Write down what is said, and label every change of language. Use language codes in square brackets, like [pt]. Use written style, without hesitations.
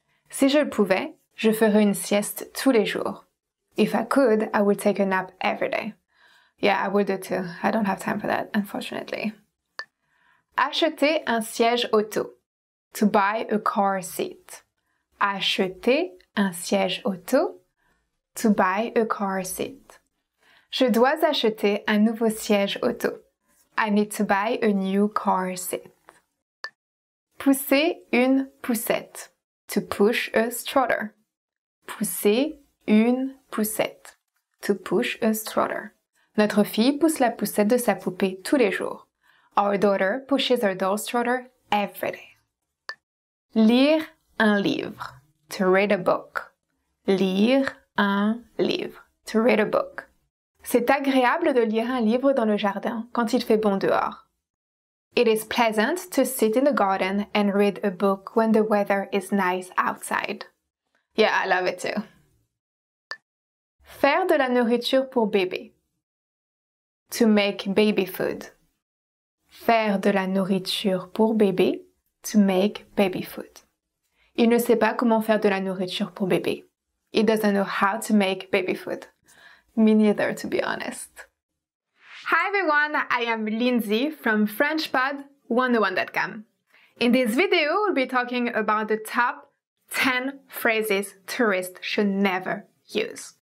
[fr] Si je le pouvais, je ferais une sieste tous les jours. [en] If I could, I would take a nap every day. Yeah, I would do too. I don't have time for that, unfortunately. [fr] Acheter un siège auto. [en] To buy a car seat. [fr] Acheter un siège auto. [en] To buy a car seat. [fr] Je dois acheter un nouveau siège auto. [en] I need to buy a new car seat. [fr] Pousser une poussette. [en] To push a stroller. [fr] Pousser une poussette. [en] To push a stroller. [fr] Notre fille pousse la poussette de sa poupée tous les jours. [en] Our daughter pushes her doll stroller every day. [fr] Lire un livre. [en] To read a book. Lire un livre. To read a book. [fr] C'est agréable de lire un livre dans le jardin quand il fait bon dehors. [en] It is pleasant to sit in the garden and read a book when the weather is nice outside. Yeah, I love it too. [fr] Faire de la nourriture pour bébé. [en] To make baby food. [fr] Faire de la nourriture pour bébé. [en] To make baby food. [fr] Il ne sait pas comment faire de la nourriture pour bébé. [en] He doesn't know how to make baby food. Me neither, to be honest. Hi everyone, I am Lindsay from FrenchPod101.com. In this video, we'll be talking about the top 10 phrases tourists should never use.